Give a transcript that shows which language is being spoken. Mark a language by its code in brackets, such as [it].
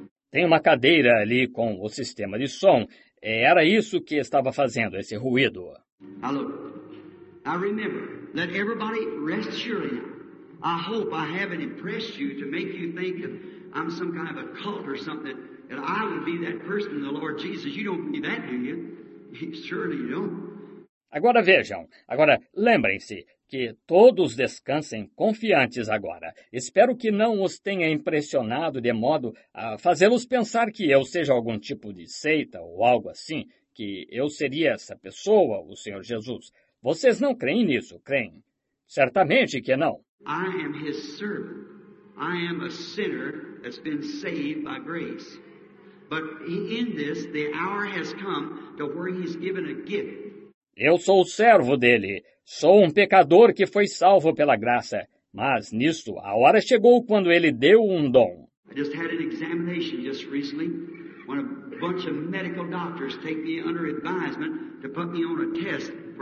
[pt] Tem uma cadeira ali com o sistema de som. Era isso que estava fazendo, esse ruído. Alô? [en] I remember that everybody rest surely now. I hope I haven't impressed you to make you think that I'm some kind of a cult or something, that I would be that person in the Lord Jesus. You don't believe that, do you? Surely you don't. [pt] Agora vejam. Agora lembrem-se que todos descansem confiantes agora. Espero que não os tenha impressionado de modo a fazê-los pensar que eu seja algum tipo de seita ou algo assim, que eu seria essa pessoa, o Senhor Jesus. Vocês não creem nisso, creem? Certamente que não. [en] I am his servant. I am a sinner that's been saved by grace. But in this, the hour has come to where he's given a gift. [pt] Eu sou o servo dele. Sou um pecador que foi salvo pela graça. Mas nisto, a hora chegou quando ele deu um dom. [en] I just had an examination just recently when a bunch of medical doctors take me under advisement to put me on a test.